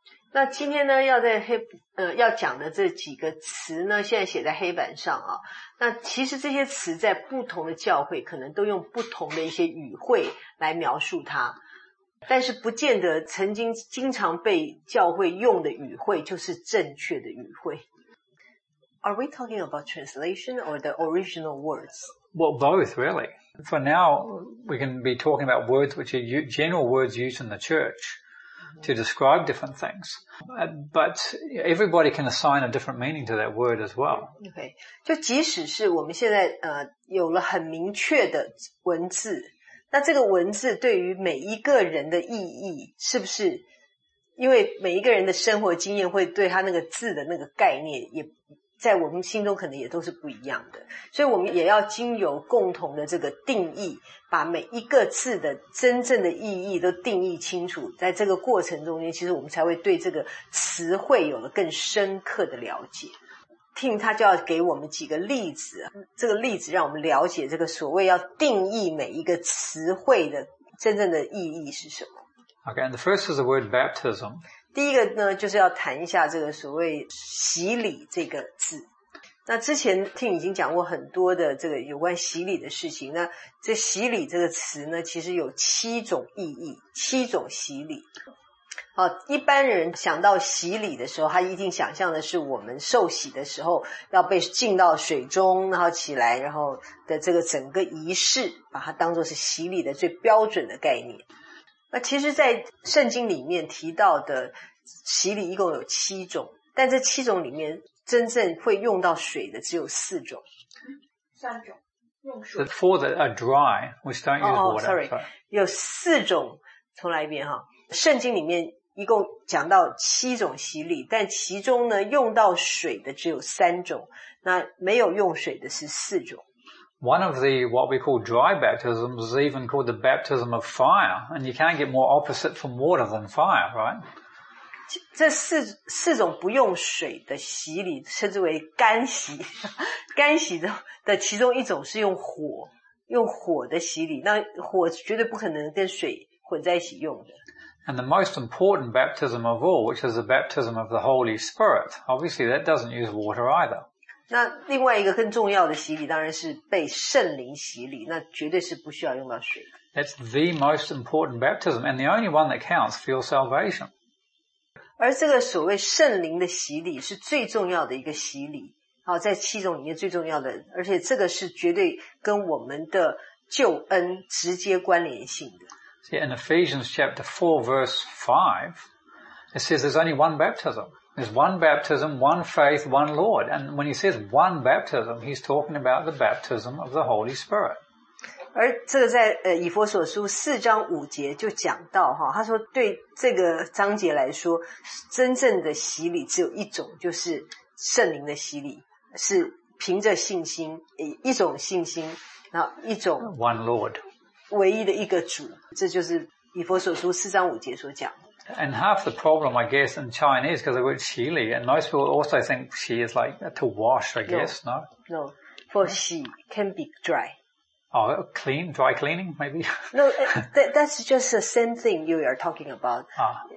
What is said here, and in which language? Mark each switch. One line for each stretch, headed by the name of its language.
Chinese: 那今天呢要讲的这几个词呢现在写在黑板上啊，那其实这些词在不同的教会可能都用不同的一些语汇来描述它，但是不见得曾经经常被教会用的语汇就是正确的语汇。
English: Are we talking about translation or the original words? Well, both really. For now, we can be talking about words which are general words used in the churchto describe different things. But everybody can assign a different meaning to that word as well. Okay.
Chinese: 就即使是我们现在有了很明确的文字，那这个文字对于每一个人的意义是不是，因为每一个人的生活经验会对他那个字的那个概念也在我们心中可能也都是不一样的，所以我们也要经由共同的这个定义，把每一个字的真正的意义都定义清楚，在这个过程中间其实我们才会对这个词汇有了更深刻的了解。 Tim 他就要给我们几个例子，这个例子让我们了解这个所谓要定义每一个词汇的真正的意义是什么。
English: Okay, and the first is the word baptism.
Chinese: 第一个呢就是要谈一下这个所谓洗礼这个字。那之前听已经讲过很多的这个有关洗礼的事情，那这洗礼这个词呢其实有七种意义，七种洗礼。好，一般人想到洗礼的时候他一定想象的是我们受洗的时候要被浸到水中然后起来然后的这个整个仪式，把它当作是洗礼的最标准的概念。那其实在圣经里面提到的洗礼一共有七种，但这七种里面真正会用到水的只有四种。三种用水。
English: The four that are dry, which don't use water.
Chinese: Sorry. 有四种，重来一遍哈。圣经里面一共讲到七种洗礼，但其中呢用到水的只有三种，那没有用水的是四种。
English: One of the what we call dry baptisms is even called the baptism of fire, and you can't get more opposite from water than fire, right?
Chinese: 这四种不用水的洗礼称之为干洗，干洗的其中一种是用火，用火的洗礼，那火绝对不可能跟水混在一起用的。
English: And the most important baptism of all, which is the baptism of the Holy Spirit, obviously that doesn't use water either.
Chinese: 那另外一个更重要的洗礼当然是被圣灵洗礼，那绝对是不需要用到水。
English: That's the most important baptism and the only one that counts for your salvation.
Chinese: 而这个所谓圣灵的洗礼是最重要的一个洗礼，好，在七种里面最重要的，而且这个是绝对跟我们的救恩直接关联性的。
English: See, in Ephesians chapter 4 verse 5 it says there's only one baptismThere's one baptism, one faith, one Lord. And when he says one baptism, he's talking about the baptism of the Holy Spirit.
Chinese: 而这个在以弗所书四章五节就讲到，他说对这个章节来说，真正的洗礼只有一种，就是圣灵的洗礼，是凭着信心，一种信心，然后一种
English: One Lord.
Chinese: 唯一的一个主，这就是以弗所书四章五节所讲的。
English: And half the problem, I guess, in Chinese, because the word qi li, and most people also think qi is like to wash, I guess, no? No. For qi can be dry. Oh, clean, dry cleaning, maybe? No, that's just the same thing you are talking about. Ah.